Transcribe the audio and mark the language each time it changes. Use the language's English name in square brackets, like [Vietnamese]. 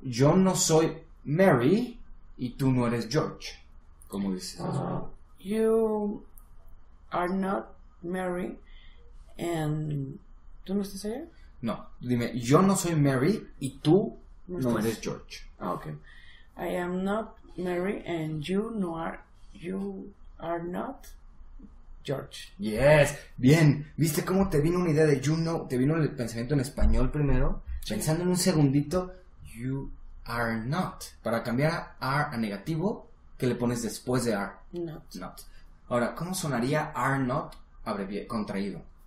[Spanish] Yo no soy Mary y tú no eres George. ¿Cómo dices eso? [English] You are not Mary, and [Spanish] ¿tú no estás allá? No, dime, yo no soy Mary y tú no eres George. [English] Ah, okay. I am not Mary and you are not George. [Spanish] Yes, bien. ¿Viste cómo te vino una idea de [English] you know? [Spanish] Te vino el pensamiento en español primero, sí. Pensando en un segundito, [English] you are not. [Spanish] Para cambiar a are a negativo, ¿qué le pones después de are? [English] Not. [Spanish] Not. Ahora, ¿cómo sonaría are not? Abreviado, contraído.